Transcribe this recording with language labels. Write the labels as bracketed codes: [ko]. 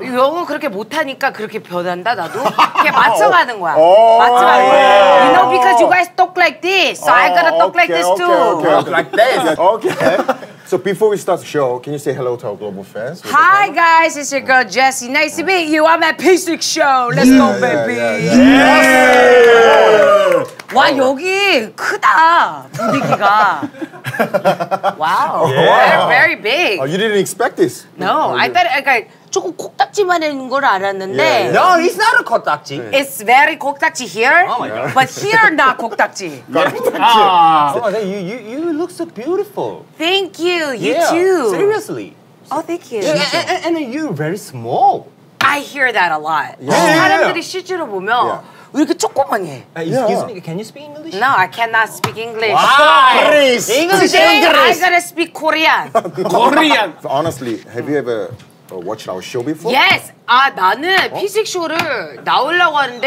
[ko] 영어 그렇게 못하니까 그렇게 변한다, 나도. 이렇게 맞춰가는 거야. [en] Oh, [ko] 맞춰가는 거야. Yeah. [en] You know, because you guys talk like this, so I gotta talk like this too. Okay. So before we start the show, can you say hello to our global fans? Hi guys, it's your girl Jessie. Nice to meet you. I'm at P6 Show. Let's go, baby. Yes! [ko] 와, 여기 크다, 분위기가. [en] Wow. Very big. You didn't expect this? No, I thought, like, [ko] 조금 콕딱지만 있는 걸 알았는데. [en] Yeah. No, it's not a 콕딱지. It's very 콕딱지 here. Oh my God. But here not 콕딱지. You look so beautiful. Thank you. You too. Seriously. Oh, thank you. And you're very small. I hear that a lot. Yeah. [ko] 사람들이 실제로 보면 왜 이렇게 조그만해? [en] Excuse me, can you speak English? No, I cannot speak English. Why? Please. English. I gotta speak Korean. Korean. So honestly, have you ever watched our show before? Yes. [ko] 아, 나는 피식 쇼를 나오려고 하는데.